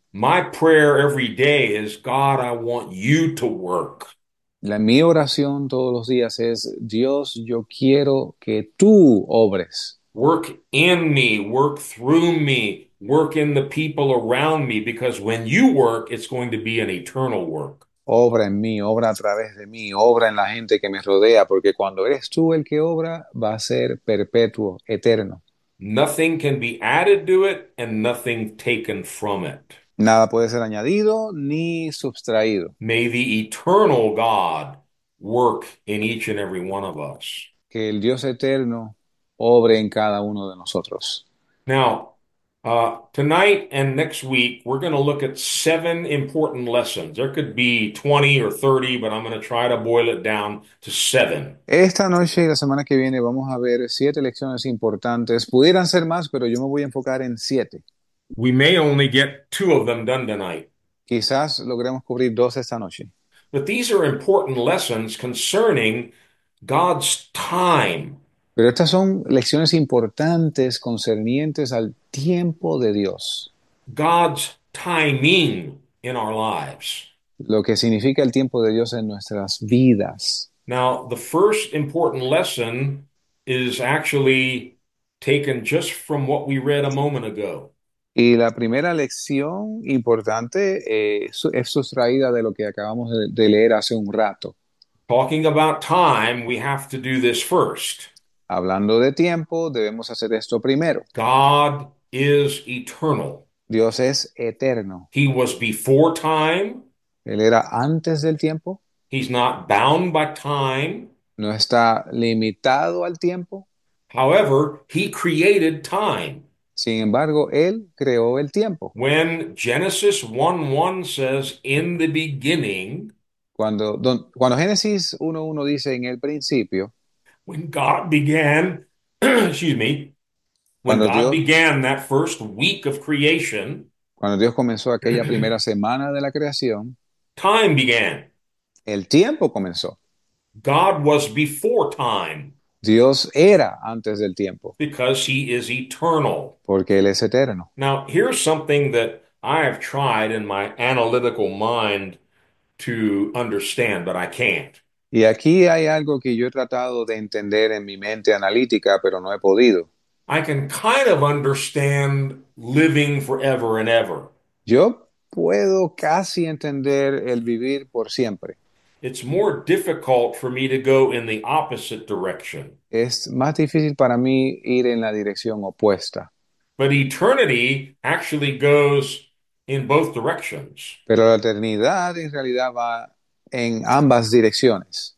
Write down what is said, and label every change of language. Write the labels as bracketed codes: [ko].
[en] My prayer every day is, God, I want you to work. [es] Mi oración todos los días es, Dios, yo quiero que tú obres. [en] Work in me, work through me, work in the people around me, because when you work, it's going to be an eternal work. [es] Obra en mí, obra a través de mí, obra en la gente que me rodea, porque cuando eres tú el que obra, va a ser perpetuo, eterno. [en] Nothing can be added to it and nothing taken from it. [es] Nada puede ser añadido ni sustraído. [en] May the eternal God work in each and every one of us. [es] Que el Dios eterno obre en cada uno de nosotros. [en] Now, tonight and next week, we're going to look at seven important lessons. There could be 20 or 30, but I'm going to try to boil it down to seven. [es] Esta noche y la semana que viene vamos a ver siete lecciones importantes. Pudieran ser más, pero yo me voy a enfocar en siete. [en] We may only get two of them done tonight. [es] Quizás logremos cubrir dos esta noche. [en] But these are important lessons concerning God's time. [es] Pero estas son lecciones importantes concernientes al tiempo de Dios. [en] God's timing in our lives. [es] Lo que significa el tiempo de Dios en nuestras vidas. [en] Now, the first important lesson is actually taken just from what we read a moment ago. [es] Y la primera lección importante es sustraída de lo que acabamos de leer hace un rato. [en] Talking about time, we have to do this first. [es] Hablando de tiempo, debemos hacer esto primero. [en] God is eternal. [es] Dios es eterno. [en] He was before time. [es] Él era antes del tiempo. [en] He's not bound by time. [es] No está limitado al tiempo. [en] However, he created time. [es] Sin embargo, él creó el tiempo. [en] When Genesis 1:1 says, in the beginning, [es] Cuando Génesis 1:1 dice en el principio, [en] when God began, excuse me, when God began that first week of creation, [es] cuando Dios comenzó aquella primera semana de la creación, [en] time began. [es] el tiempo comenzó. [en] God was before time [es] Dios era antes del tiempo. [en] because he is eternal. [es] Porque él es eterno. [en] Now, here's something that I have tried in my analytical mind to understand, but I can't. [es] Y aquí hay algo que yo he tratado de entender en mi mente analítica, pero no he podido. [en] I can kind of understand living forever and ever. [es] Yo puedo casi entender el vivir por siempre. [en] It's more difficult for me to go in the opposite direction. [es] Es más difícil para mí ir en la dirección opuesta. [en] But eternity actually goes in both directions. [es] Pero la eternidad en realidad va en ambas direcciones.